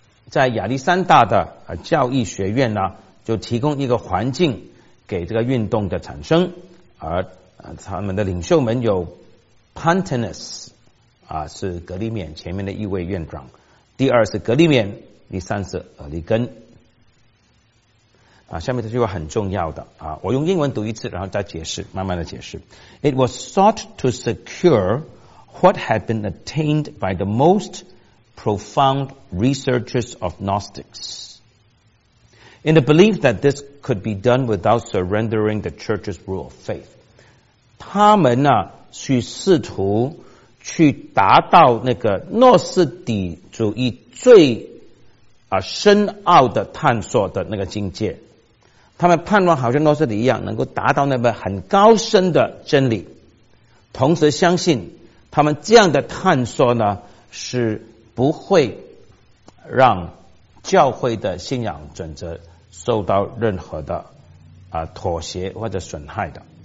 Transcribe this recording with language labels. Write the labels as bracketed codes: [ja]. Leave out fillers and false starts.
[zh] 在亚历山大的教义学院呢，就提供一个环境给这个运动的产生，而他们的领袖们有 Pantanus 是格利勉前面的一位院长，第二是格利勉，第三是俄利根下面这句话很重要的我用英文读一次然后再解释，慢慢的解释。 [en] It was sought to secure what had been attained by the most profound researchers of Gnostics in the belief that this could be done without surrendering the church's rule of faith。 [zh] 他们呢去试图去达到那个诺斯底主义最深奥的探索的那个境界，他们盼望好像诺斯底一样能够达到那个很高深的真理，同时相信他们这样的探索呢是不会让教会的信仰准则受到任何的妥协或者损害的。